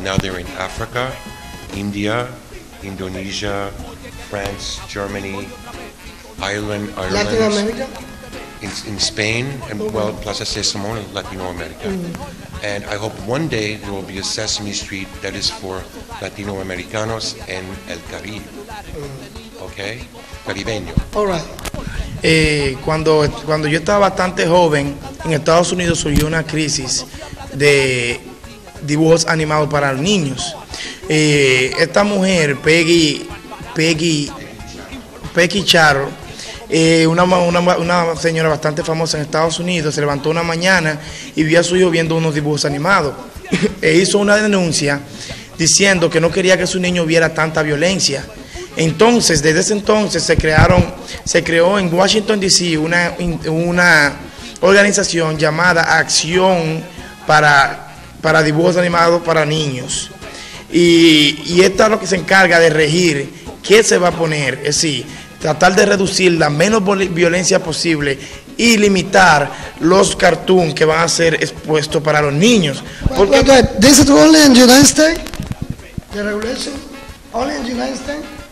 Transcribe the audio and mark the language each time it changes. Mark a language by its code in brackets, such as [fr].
[en] Now they're in Africa, India, Indonesia, France, Germany, Ireland. Latin America? In Spain, and well, Plaza Sésamo, Latino America. Mm. And I hope one day there will be a Sesame Street that is for [es] Latino Americanos [en] and [es] El Caribe. [en] Mm. Okay? Caribeño. All right. [es] Cuando yo estaba bastante joven, en Estados Unidos surgió una crisis de dibujos animados para niños. Esta mujer, Peggy Charon, una señora bastante famosa en Estados Unidos, se levantó una mañana y vio a su hijo viendo unos dibujos animados. E hizo una denuncia diciendo que no quería que su niño viera tanta violencia. Entonces, desde ese entonces se creó en Washington D.C. una organización llamada Acción para dibujos animados para niños. Y esta es lo que se encarga de regir qué se va a poner, es decir, tratar de reducir la menos violencia posible y limitar los cartoons que van a ser expuestos para los niños. Porque [en] this is only in the United States? The regulation? Only in the United States?